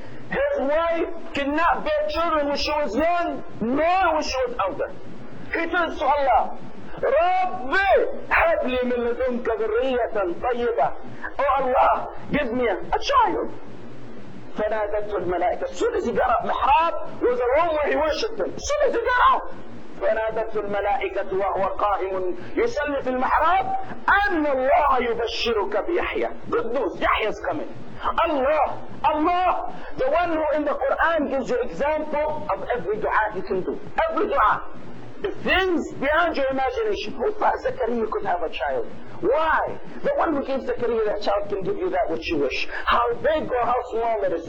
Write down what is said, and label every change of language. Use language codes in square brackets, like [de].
[en] His wife cannot bear children when she was young, nor when she was older. He turns to Allah, [ar] Rabbi Habli min ladunka dhurriyatan tayyibah. [en] Oh Allah, give me a child. [ar] Fanadatu al-malaika. [en] As soon as he got up, mihrab was a room where he worshipped him. As soon as he got up. [ar] فنادته الملائكة وهو قائم يصلي في المحراب أن الله يبشرك بيحيى. [en] Good news, Yahya is coming. Allah, the one who in the Quran gives you example of every dua you can do. Every dua. The things beyond your imagination. Who thought Zakaria could have a child? Why? The one who gave Zakaria that child can give you that which you wish. How big or how small it is.